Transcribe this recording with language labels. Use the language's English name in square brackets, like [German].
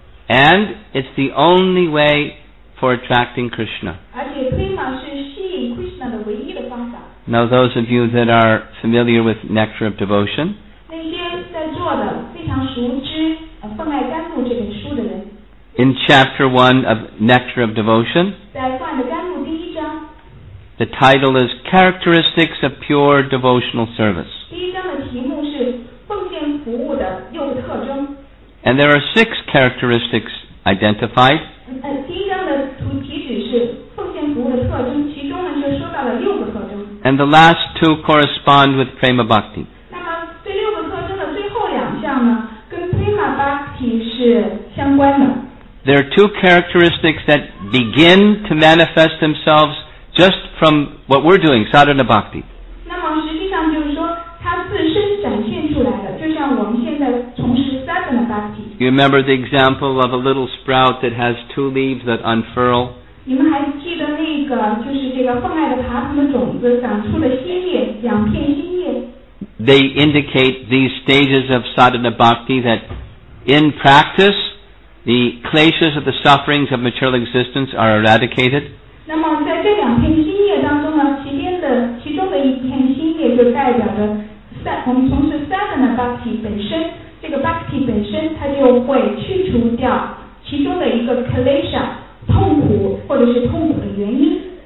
[English] And it's the only way for attracting Krishna. [Chinese] 而且 Prema 是吸引 Krishna 的唯一的方法。 [English] Now those of you that are familiar with Nectar of Devotion, [Chinese] 那些在座的非常熟知《泛爱甘露》这本书的人， [English] In Chapter 1 of Nectar of Devotion, [Chinese] 在《泛爱甘露》第一章， [English] The title is Characteristics of Pure Devotional Service. [Chinese] 第一章的题目是奉献服务的六个特征。 [English] And there are six characteristics identified. [Chinese] 第一章的题旨是奉献服务的特征，其中呢就说到了六个特征。 [English] And the last two correspond with Prema Bhakti. [Chinese] 那么这六个特征的最后两项呢，跟 Prema Bhakti 是相关的。 [English] There are two characteristics that begin to manifest themselves just from what we're doing, sadhana bhakti. [Chinese] 那么实际上就是说，它自身展现出来的，就像我们现在从事 sadhana bhakti. [English] You remember the example of a little sprout that has two leaves that unfurl? [Chinese] 你们还记得那个，就是这个凤爱的爬藤的种子长出了新叶，两片新叶。 [English] They indicate these stages of sadhana bhakti that, in practice, the kleshas of the sufferings of material existence are eradicated. [Chinese] 那么在这两片新叶当中呢，其中的一片新叶就代表着我们从事 sadhana bhakti 本身，这个 bhakti 本身它就会去除掉其中的一个 klesha 痛苦或者是痛苦的原因。